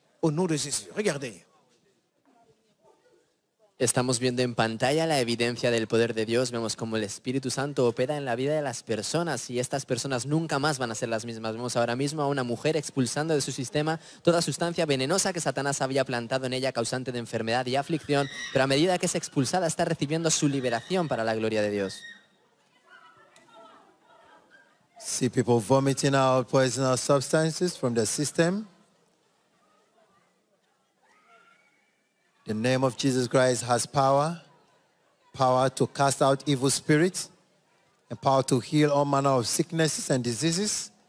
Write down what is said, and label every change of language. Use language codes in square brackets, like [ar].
[fr] Au nom de Jésus, regardez. [es] Estamos viendo en pantalla la evidencia del poder de Dios. Vemos cómo el Espíritu Santo opera en la vida de las personas y estas personas nunca más van a ser las mismas. Vemos ahora mismo a una mujer expulsando de su sistema toda sustancia venenosa que Satanás había plantado en ella, causante de enfermedad y aflicción, pero a medida que es expulsada está recibiendo su liberación para la gloria de Dios. [en] See people vomiting out poisonous substances from their system. The name of Jesus Christ has power, power to cast out evil spirits, and power to heal all manner of sicknesses and diseases.